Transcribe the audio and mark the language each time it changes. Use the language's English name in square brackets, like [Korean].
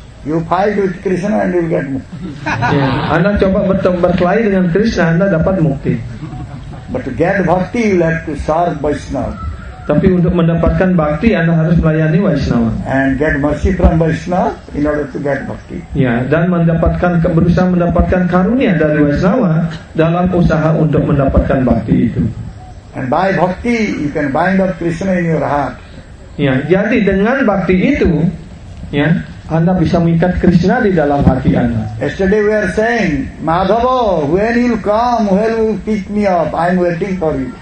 [English] You fight with Krishna and you get mukti. [Indonesian] Ya, anda coba berkelahi dengan Krishna, anda dapat mukti. [English] But to get bhakti, you have to serve Vaishnava. [Indonesian] Tapi untuk mendapatkan bhakti, Anda harus melayani Vaishnava. [English] And get mercy from Vaishnava in order to get bhakti. [Indonesian] Ya, dan mendapatkan, berusaha mendapatkan karunia dari Vaishnava dalam usaha untuk mendapatkan bhakti itu. [English] And by bhakti, you can bind up Krishna in your heart. [Indonesian] Ya, jadi dengan bhakti itu, ya, Anda bisa mengikat Krishna di dalam hati Anda. [English] Yesterday we are saying, Madhava, when you come, when you pick me up, I'm waiting for you.